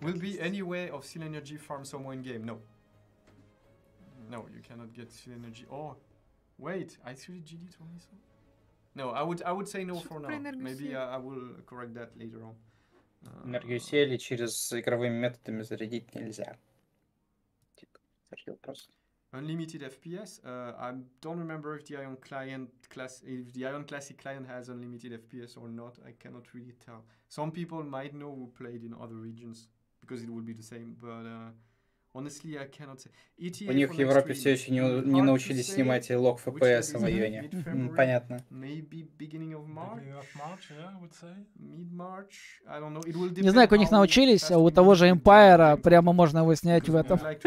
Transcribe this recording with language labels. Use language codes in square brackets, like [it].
[en] Will be any way of Seal Energy farm somewhere in game? No. No, you cannot get Seal Energy. Oh, wait, I see the GD told me so. No, I would say no for now. Maybe I will correct that later on. [ru] Энергию сели через игровыми методами зарядить нельзя. [en] Unlimited FPS? I don't remember if the Ion client class, if the Ion Classic client has unlimited FPS or not. I cannot really tell. Some people might know who played in other regions because it would be the same. But honestly, I cannot say. [ru] У них в Европе все еще не научились снимать лог FPS в Ионе. Понятно. [en] Maybe beginning of March. Beginning of March, yeah, I would say. Mid March. I don't know. It will depend. [ru] Не знаю, как у них научились, а у того же Empire прямо можно его снять в этом.